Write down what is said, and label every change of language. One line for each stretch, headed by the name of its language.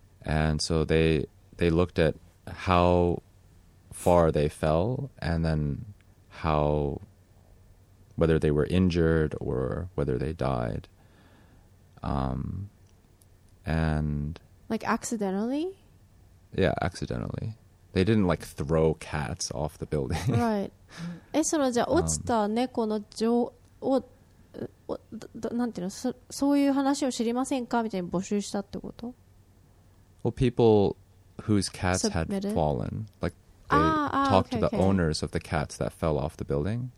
English: And so they looked at how far they fell and then how, whether they were injured or whether they died. And like accidentally? Yeah, accidentally. They didn't like throw cats off the building. Right.
Japanese: え、そのじゃあ落ちた猫の情をなんていうの、そういう話を知りませんかみたいに募集したってこと？
English: Well, people whose cats had fallen, like they talked to the owners of the cats that fell off the building.